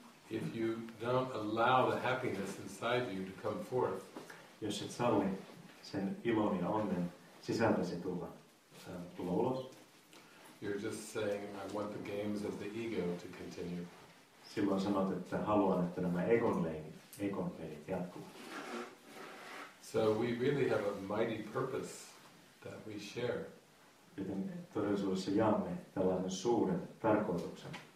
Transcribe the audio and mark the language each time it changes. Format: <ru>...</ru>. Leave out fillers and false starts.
<en>If you don't allow the happiness inside you to come forth,</en> <fi>jos et salli sen ilon ja onnen sisältäsi tulla ulos,</fi> <en>you're just saying I want the games of the ego to continue.</en> <fi>Silloin sanot, että haluan, että nämä egon pelit jatkuvat.</fi> <en>So we really have a mighty purpose that we share.</en> <fi>Joten todellisuudessa jaamme tällaisen suuren tarkoituksen.</fi>